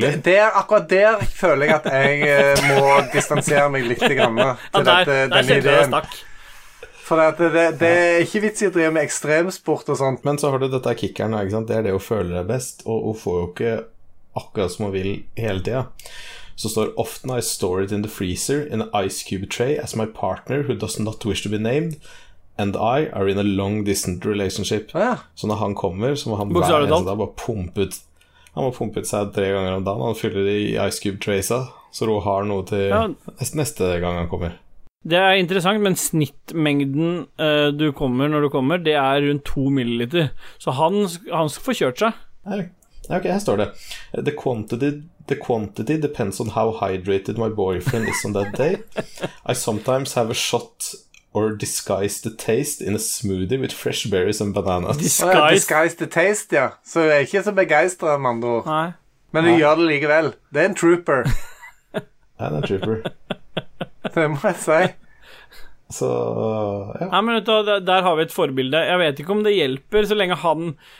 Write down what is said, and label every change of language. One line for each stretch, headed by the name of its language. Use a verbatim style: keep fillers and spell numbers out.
Norwegian: Det, det er akkurat der føler jeg at jeg må distansere meg litt grann, til ja, der, dette, der denne ideen. For det, det, det er ikke vits i å drive med ekstremsport og sånt. Men så har du dette kickeren, ikke sant? Det er det hun føler er best, og hun får jo ikke akkurat som hun vil hele tiden. Så står
English: often I store it in the freezer in an ice cube tray as my partner who does not wish to be named and I are in a long distant relationship.
Norwegian: Ah, ja. Så når han kommer, så må han hver eneste dag bare pumpe ut Han må pumpe ut seg tre ganger om dagen. Han fyller det i Ice Cube Tracer, så Rå har noe til ja. neste gang han kommer. Det er interessant, men snittmengden uh, du kommer når du kommer, det er rundt to milliliter. Så han, han skal få kjørt seg. Nei. Ok, her står det
English: the quantity, the quantity depends on how hydrated my boyfriend is on that day. I sometimes have a shot or disguise the taste in a smoothie with fresh berries and bananas. Disguise, oh, ja, disguise the taste, ja.
Norwegian: Så du er ikke så begeistret, med andre ord. Nei. Men du Nei. Gjør det likevel. Det er en trooper. Det er en trooper. Det må jeg si. Så, ja. Nei, men der, der har vi et forbilde. Jeg vet ikke om det hjelper så lenge han...